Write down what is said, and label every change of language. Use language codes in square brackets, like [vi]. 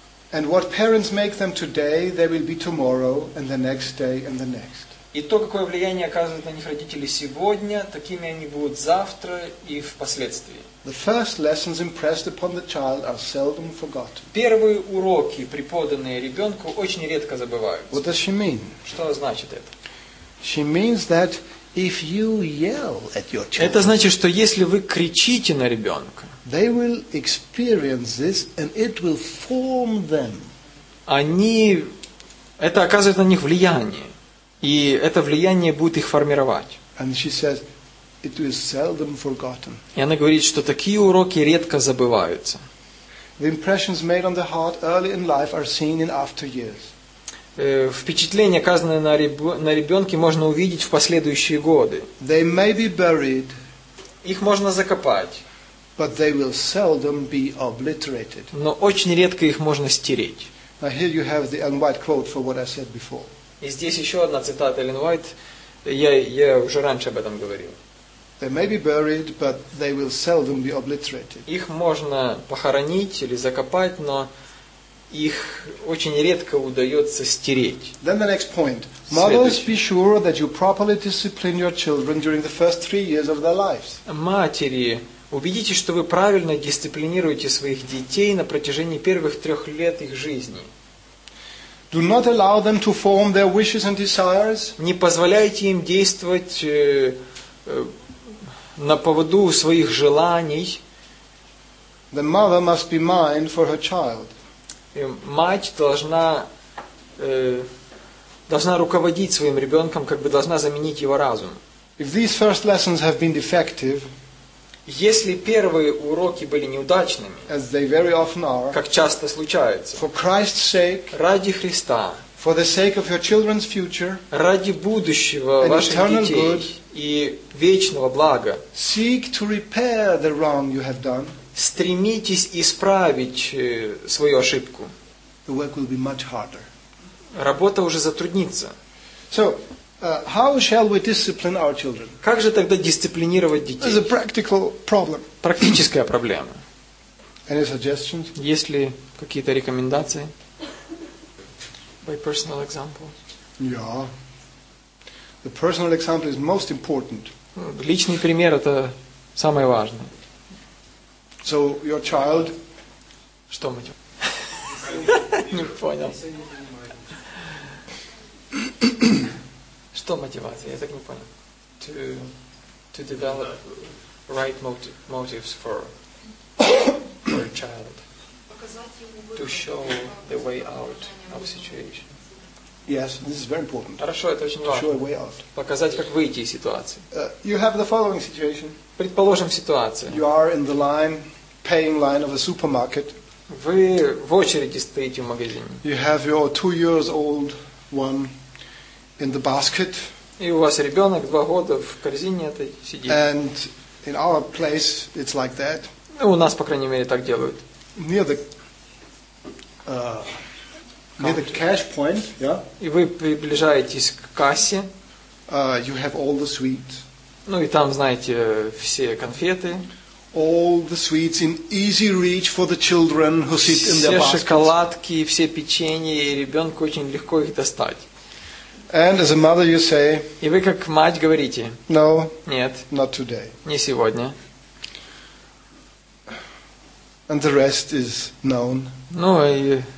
[en] And what parents make them today, they will be tomorrow, and the next day, and the next. [ru] И то, какое влияние оказывают на них родители сегодня, такими они будут завтра и впоследствии. [en] The first lessons impressed upon the child are seldom forgotten. [ru] Первые уроки, преподанные ребенку, очень редко забываются. [en] What does she mean? [ru] Что значит это? [en] She means that if you yell at your child, [ru] это значит, что если вы кричите на ребенка, [en] they will experience this, and it will form them. [ru] Они, это оказывает на них влияние. И это влияние будет их формировать. [en] And she says, it is seldom forgotten. [ru] И она говорит, что такие уроки редко забываются. [en] The impressions made on the heart early in life are seen in after years. [ru] Впечатления, оказанные на ребенке, можно увидеть в последующие годы. [en] They may be buried. [ru] Их можно закопать. [en] But they will seldom be obliterated. [ru] Но очень редко их можно стереть. [en] Now here you have the Ellen White quote for what I said before. [ru] И здесь еще одна цитата Эллен Уайт. Я уже раньше об этом говорил. [en] They may be buried, but they will seldom be obliterated. [ru] Их можно похоронить или закопать, но их очень редко удается стереть. [en] Then the next point. Mothers, be sure that you properly discipline your children during the first three years of their lives. [ru] Матери, убедитесь, что вы правильно дисциплинируете своих детей на протяжении первых трех лет их жизни. [en] Do not allow them to form their wishes and desires. [ru] Не позволяйте им действовать на поводу своих желаний. [en] The mother must be mine for her child. [ru] Мать должна руководить своим ребенком, как бы должна заменить его разум. [en] If these first lessons have been defective, [ru] если первые уроки были неудачными, [en] as they very often are, [ru] как часто случается, [en] for Christ's sake, [ru] ради Христа, [en] for the sake of your children's future, [ru] ради будущего [en] and [ru] ваших [en] eternal [ru] детей [en] good, [ru] и вечного блага, [en] seek to repair the wrong you have done, [ru] стремитесь исправить свою ошибку. [en] The work will be much harder. [ru] Работа уже затруднится. [en] So, How shall we discipline our children? [ru] Как же тогда дисциплинировать детей? [en] It's a practical problem. [ru] Практическая проблема. [en] Any suggestions? [ru] Есть ли какие-то рекомендации? [en] By personal example. Yeah. The personal example is most important. [ru] Личный пример это самое важное. [en] So your child. [ru] Что мы делаем? Не понял. Что мотивация? Я так не понял. [en] To develop right motives for a child. To show the way out of situation. Yes, this is very important. [ru] Хорошо, это очень [en] to [ru] важно. [en] Show a way out. [ru] Показать, как выйти из ситуации. [en] You have the following situation. [ru] Предположим ситуацию. [en] You are in the line, paying line of a supermarket. [ru] Вы в очереди стоите в магазине. [en] You have your 2 years old one in the basket. [ru] И у вас ребенок 2 года в корзине этой сидит. [en] And in our place it's like that. [ru] Ну, у нас по крайней мере так делают. [en] Near the cash point, yeah. [ru] И вы приближаетесь к кассе. [en] You have all the sweets. [ru] Ну и там, знаете, все конфеты. [en] All the sweets in easy reach for the children who sit in their baskets. [ru] Все шоколадки, все печенья, и ребенку очень легко их достать. [en] And as a mother, you say. [ru] И вы как мать говорите. [en] No. [ru] Нет. [en] Not today. [ru] Не сегодня. [en] And the rest is known. [ru] Ну и.